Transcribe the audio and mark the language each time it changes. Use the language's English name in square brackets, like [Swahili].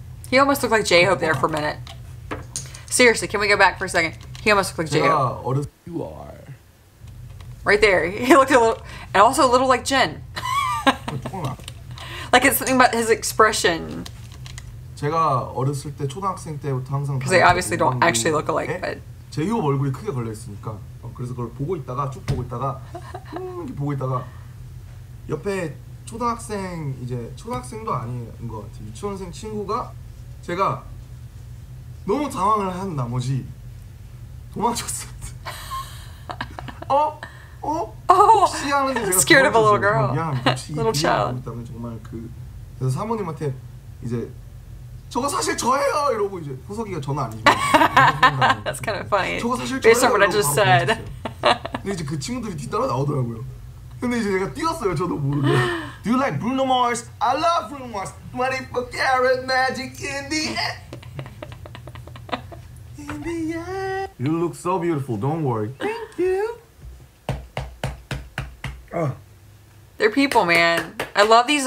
[English] He almost looked like J-Hope there for a minute. Seriously, can we go back for a second? He almost looked like J-Hope. Yeah, what if you are? Right there. He looked a little, and also a little like Jin. Like it's something about his expression. [Korean] 제가 어렸을 때 초등학생 때부터 항상 [English] Because they obviously don't actually look alike, but [Korean] 제이홉 얼굴이 크게 걸려 있으니까 그래서 그걸 보고 있다가 쭉 보고 있다가 이렇게 보고 있다가 옆에 초등학생 이제 초등학생도 아닌 것 같아요. 유치원생 친구가 제가 너무 당황을 한 나머지 도망쳤어요. 어? 어? [English] Oh, scared of a little girl. [Korean] 미안, [English] little child. [Korean] 있다면 정말 그 그래서 사모님한테 이제 저거 사실 저예요 이러고 이제 호석이가 전화 안 해주면 [English] That's kind of funny. [Korean] 저거 사실 저예요. [English] Based on what I just said. [Korean] 근데 이제 그 친구들이 뒤따라 나오더라고요. 근데 이제 제가 뛰었어요. 저도 모르게. [English] Do you like Bruno Mars? I love Bruno Mars. 24 karat magic in the air. In the air. You look so beautiful. Don't worry. Thank you. They're people, man. I love these.